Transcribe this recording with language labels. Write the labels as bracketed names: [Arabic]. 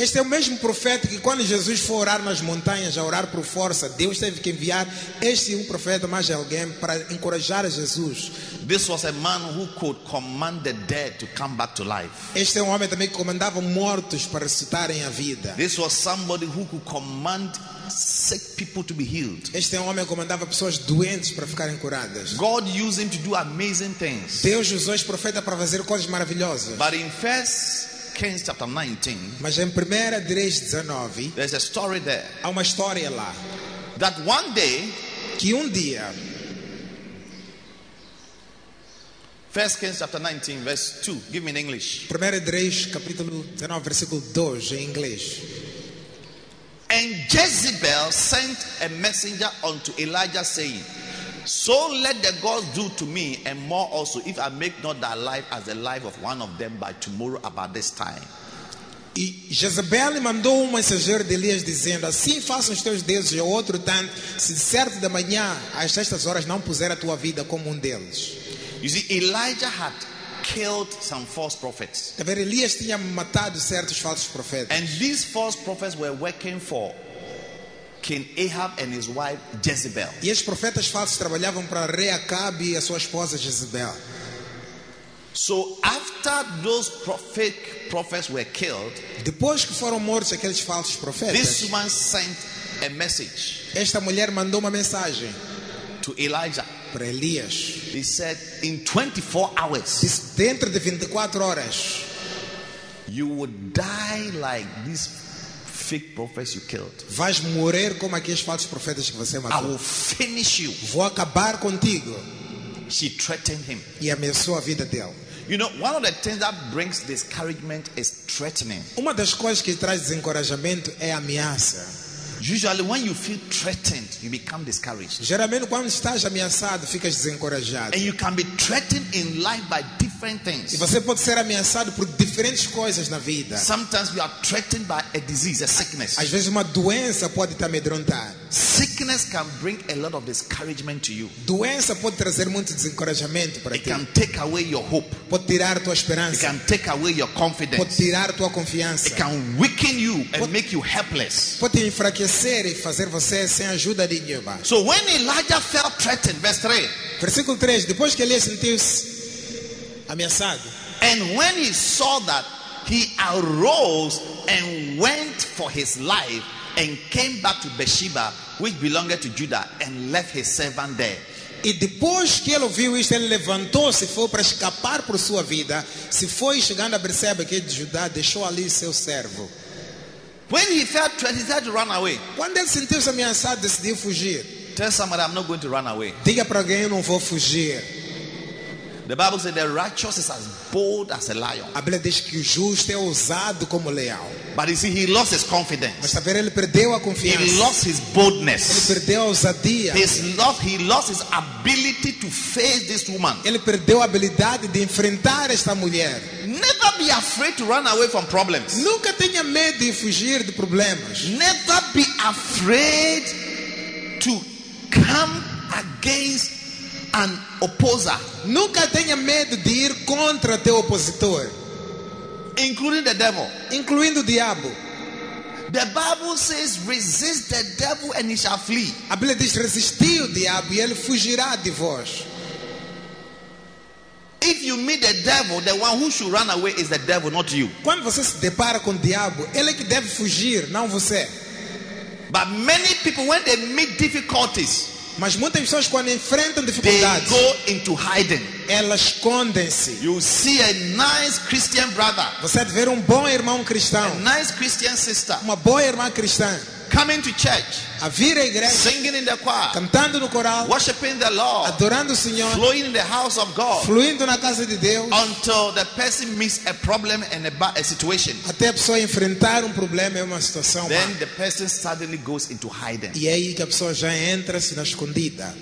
[Portuguese] Este é o mesmo profeta que quando Jesus foi orar nas montanhas, a orar por força, Deus teve que enviar este profeta mais alguém para encorajar Jesus. [English] This was a man who could command the dead to come back to life. [Portuguese] Este é homem também que comandava mortos para ressuscitarem a vida. [English] This was somebody who could command sick people to be healed. [Portuguese] Este homem comandava pessoas doentes para ficarem curadas. [English] God used him to do amazing things. [Portuguese] Deus usou este profeta para fazer coisas maravilhosas. [English] But in first Kings chapter 19. [Portuguese] Mas em Primeira de Reis 19, [English] there's a story there. [Portuguese] Há uma história lá. [English] That one day, [Portuguese] que dia. [English] First Kings chapter 19 verse 2. Give me in English. [Portuguese] Primeira de Reis capítulo 19 versículo 2 em inglês. [English] And Jezebel sent a messenger unto Elijah saying, so let the gods do to me and more also, if I make not thy life as the life of one of them by tomorrow about this time. [Portuguese] E Jezebel mandou um mensageiro de Elias dizendo, assim façam os teus deuses e outro tanto, se certo da manhã às estas horas não puser a tua vida como deles. [English] You see, Elijah had killed some false prophets. [Portuguese] Tá vendo, Elias tinha matado certos falsos profetas. [English] And these false prophets were working for King Ahab and his wife Jezebel. [Portuguese] E esses profetas falsos trabalhavam para rei Acabe e a sua esposa Jezebel. [English] So after those prophetic prophets were killed, [Portuguese] depois que foram mortos aqueles falsos profetas, [English] this woman sent a message. [Portuguese] Esta mulher mandou uma mensagem [English] to Elijah. [Portuguese] Para Elias. [English] He said, in 24 hours, [Portuguese] dentro de 24 horas, [English] you would die like this fake prophets you killed. [Portuguese] Vais morrer como aqueles falsos profetas que você matou. [English] I will finish you. [Portuguese] Vou acabar contigo. [English] She threatened him. [Portuguese] E ameaçou a vida dele. [English] You know, one of the things that brings discouragement is threatening. [Portuguese] Uma das coisas que traz desencorajamento é ameaça. [English] Usually when you feel threatened, you become discouraged. [Portuguese] Geralmente quando estás ameaçado, ficas desencorajado. [English] And you can be threatened in life by different things. [Portuguese] E você pode ser ameaçado por diferentes coisas na vida. [English] Sometimes we are threatened by a disease, a sickness. [Portuguese] Às vezes uma doença pode te amedrontar. [English] Sickness can bring a lot of discouragement to you. [Portuguese] Doença pode trazer muito desencorajamento para ti. [English] It can take away your hope. [Portuguese] Pode tirar tua esperança. [English] It can take away your confidence. [Portuguese] Pode tirar tua confiança. [English] It can weaken you and make you helpless. [Portuguese] Pode enfraquecer e fazer você sem ajuda de nenhuma. [English] So when Elijah felt threatened, verse 3. [Portuguese] Versículo 3, depois que ele sentiu-se ameaçado. [English] And when he saw that, he arose and went for his life and came back to Beersheba, which belonged to Judah, and left his servant there. [Portuguese] E depois que ele ouviu isto, ele levantou-se, foi para escapar por sua vida, se foi chegando a Beersheba, que de Judá, deixou ali seu servo. [English] When he felt threatened, he had to run away. [Portuguese] Quando ele sentiu-se ameaçado, decidiu fugir. [English] Tell somebody, I'm not going to run away. [Portuguese] Diga para alguém, eu não vou fugir. [English] The Bible says the righteous is as bold as a lion. [Portuguese] A Bíblia diz que o justo é ousado como leão. [English] But you see, he lost his confidence. [Portuguese] Mas está vendo, ele perdeu a confiança. [English] He lost his boldness. [Portuguese] Ele perdeu a ousadia. [English] He lost his ability to face this woman. [Portuguese] Ele perdeu a habilidade de enfrentar esta mulher. [English] Never be afraid to run away from problems. [Portuguese] Nunca tenha medo de fugir de problemas. [English] Never be afraid to come against an opposer. [Portuguese] Nunca tenha medo de ir contra teu opositor. [English] Including the devil. [Portuguese] Incluindo o diabo. [English] The Bible says, resist the devil and he shall flee. [Portuguese] A Bíblia diz, resisti o diabo e ele fugirá de vós. [English] If you meet the devil, the one who should run away is the devil, not you. [Portuguese] Quando você se depara com o diabo, ele é que deve fugir, não você. [English] But many people, when they meet difficulties, [Portuguese] Mas muitas pessoas quando enfrentam dificuldades, [English] they go into hiding. [Portuguese] Elas escondem-se. [English] You see a nice Christian brother. [Portuguese] Você vê um bom irmão cristão. [English] A nice Christian sister. [Portuguese] Uma boa irmã cristã. [English] Coming to church, [Portuguese] a vir à igreja, [English] singing in the choir, [Portuguese] cantando no coral, [English] worshiping the Lord, [Portuguese] adorando o Senhor, [English] flowing in the house of God, [Portuguese] fluindo na casa de Deus, [English] until the person meets a problem and a situation. [Portuguese] Até a pessoa enfrentar problema e uma situação. [English] Then má. The person suddenly goes into hiding. [Portuguese] E aí que a pessoa já entra na escondida.